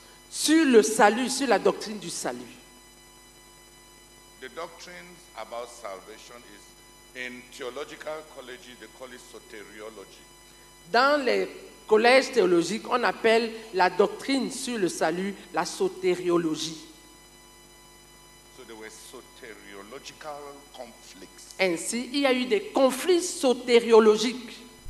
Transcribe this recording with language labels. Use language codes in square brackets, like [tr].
[fr] Sur le salut, sur la doctrine du salut. [en] The doctrine about salvation is in theological colleges, they call it soteriology. [fr] Dans les collèges théologiques, on appelle la doctrine sur le salut la sotériologie. [en] So there were soteriological conflicts. [fr] Ainsi, il y a eu des conflits sotériologiques.